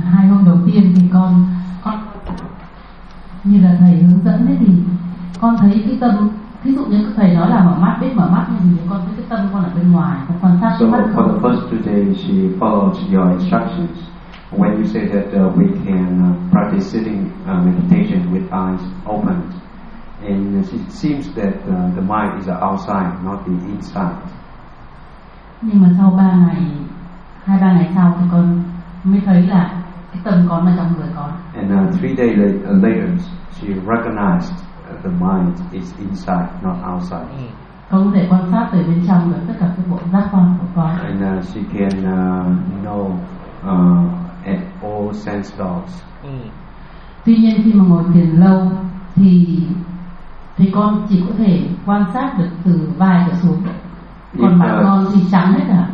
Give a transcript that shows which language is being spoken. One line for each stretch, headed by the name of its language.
Vietnamese: Hôm đầu tiên thì con như là thầy hướng dẫn đấy, thì con thấy cái tâm, ví dụ như thầy nói là biết mở mắt thì con thấy cái tâm con ở bên ngoài, con quan sát.
English: So for the first 2 days she followed your instructions. When you say that we can practice sitting meditation with eyes open, And it seems that the mind is outside, not the inside.
Vietnamese: Nhưng mà sau 3 ngày, 2-3 ngày sau thì con mới thấy là cái tâm con ở trong người con.
English: And 3 days later, she recognized the mind is inside, not outside.
Vietnamese: Con có thể quan sát từ bên trong được tất cả các bộ giác quan của con.
English: And she can know at all sense doors.
Vietnamese: Tuy nhiên khi mà ngồi thiền lâu thì con chỉ có thể quan sát được từ vai trở xuống. Còn mặt con thì trắng hết à?